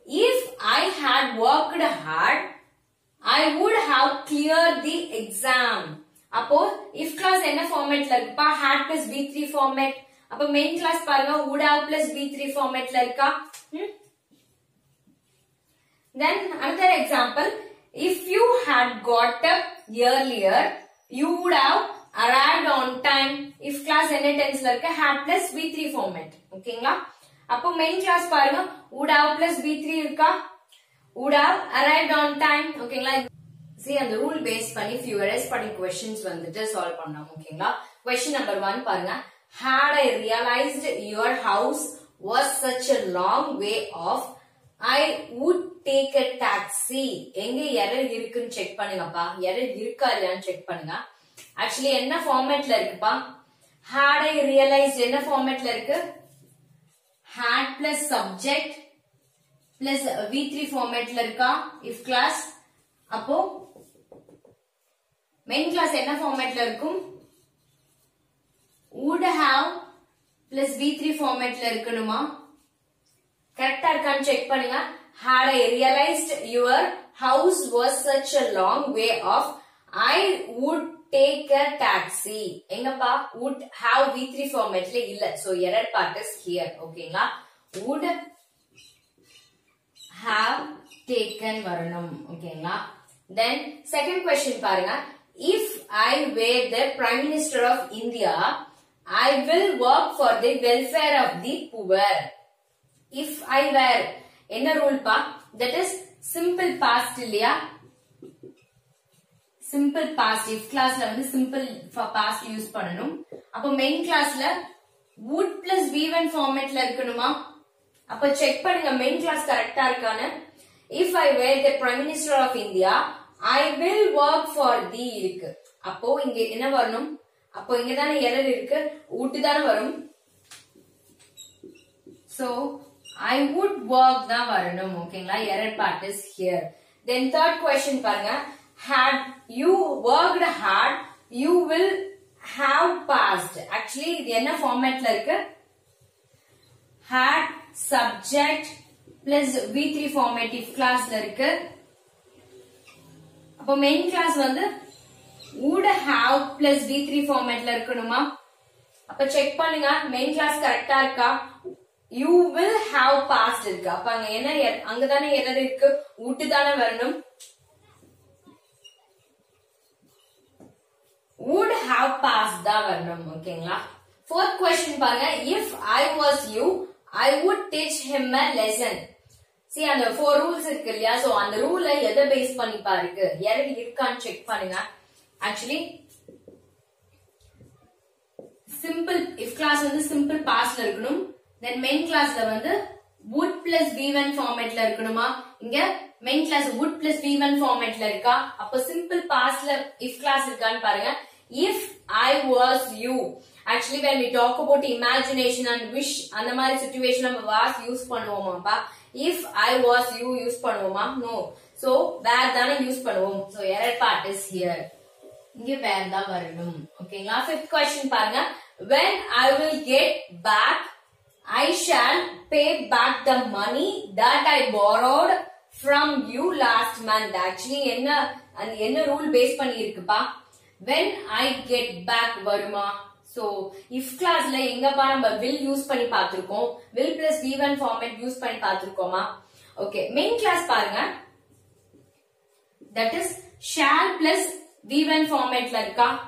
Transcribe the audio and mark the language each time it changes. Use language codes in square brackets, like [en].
[en] If I had worked hard, I would have cleared the exam. அப்போ if class [ta] என்ன formatல இருக்கா? [en] Had plus V3 format. அப்போ main class பாருங்க, would have plus V3 formatல இருக்கா? Then another example, if you had got up earlier, you would have arrived on time. If class [ta] என்ன tenseல இருக்கா? [en] Had plus V3 format. ஓகேங்களா? [ta] அப்போ main clause பாருங்க, [en] would have plus v3 இருக்கா? would have arrived on time. [ta] ஓகேங்களா, see அந்த rule base பண்ணி few எரர்ஸ்பாட்டிங் questions வந்துட்டு சால்வ் பண்ணோம். ஓகேங்களா, க்வெஸ்சன் நம்பர் 1 பாருங்க. [en] had I realized your house was such a long way off, I would take a taxi. [ta] எங்க error இருக்குன்னு செக் பண்ணுங்கப்பா, எரர் இருக்கா இல்லையான்னு செக் பண்ணுங்க. ஆக்சுவலி என்ன ஃபார்மேட்ல இருக்குப்பா? [en] had I realized [ta] என்ன ஃபார்மேட்ல இருக்கு? [en] had plus subject plus v3 format ல இருக்கா? if class. [ta] அப்போ main class என்ன format ல இருக்கும்? [en] would have plus v3 format ல இருக்கணுமா? [ta] கரெக்டா இருக்கான்னு செக் பண்ணுங்க. [en] had I realized your house was such a long way off, I would take a taxi. எங்கப்பா? would have v3 formatல இல்ல, so error part is here. ஓகேங்களா, would have taken வரணும். ஓகேங்களா, then second question பாருங்க. if I were the prime minister of India, I will work for the welfare of the poor. if I were [ta] என்ன rule பா? [en] that is simple past இல்லையா? Simple past. [ta] If கிளாஸ்ல வந்து simple past use பண்ணணும். அப்போ main கிளாஸ்ல would plus v1 ஃபார்மேட்ல இருக்கணுமா? அப்ப செக் பண்ணுங்க மெயின் கிளாஸ் கரெக்டா இருக்கான்னு. [en] If I were the prime minister of India, I will work for the இருக்கு. [ta] அப்போ இங்க என்ன வரணும்? அப்போ இங்க தானே எரர் இருக்கு, வுட் தான் வரும். [en] so I would work [ta] தான் வரணும். [en] ஓகேங்களா, error part is here. [ta] Then third question பாருங்க. [en] had you worked hard, you will have passed. actually [ta] இது என்ன ஃபார்மேட்ல இருக்கு? [en] had subject plus v3 format if classல இருக்கு. [ta] அப்ப மெயின் கிளாஸ் வந்து would have plus v3 formatல இருக்கணுமா? அப்ப செக் பண்ணுங்க மெயின் கிளாஸ் கரெக்டா இருக்கா? [en] you will have passed [ta] இருக்கு. அப்ப அங்க என்ன, அங்கதானே எரர் இருக்கு, would தானே வரணும். [en] would have passed [ta] தான் வரணும். [en] ஓகேங்களா, fourth question பாருங்க. if I was you, I would teach him a lesson. [ta] see அந்த 4 rules இருக்கு இல்லையா, so அந்த ரூல எதை பேஸ் பண்ணி பாருக்கு, எரர் இருக்கான்னு செக் பண்ணுங்க. ஆக்சுவலி சிம்பிள் இஃப் கிளாஸ் வந்து சிம்பிள் பாஸ்ட்ல இருக்கணும். தென் மெயின் கிளாஸ்ல வந்து would plus v1 formatல இருக்கணுமா? இங்க main clause would plus v1 formatல இருக்கா? அப்ப சிம்பிள் பாஸ்ட்ல இஃப் கிளாஸ் இருக்கான்னு பாருங்க. [en] if I was you, actually when we talk about imagination and wish [ta] அந்த மாதிரி சிச்சுவேஷன் நம்ம was use பண்ணுவோமாப்பா? [en] if I was you [ta] use பண்ணுவோமா? [en] no. so where தானே use பண்ணுவோம். so error part is here. [ta] இங்க where தான் வரணும். ஓகேங்களா, fifth question பாருங்க. [en] when I will get back, I shall pay back the money that I borrowed from you last month. [ta] actually என்ன rule base பண்ணிருக்குப்பா? [en] when I get back [ta] வருமா? so if classல எங்கப்பா நம்ம will use பண்ணி பாத்துருக்கோம், will plus v1 format use பண்ணி பாத்துருக்கோமா? [en] okay, main class பாருங்க, that is shall plus v1 formatல இருக்கா?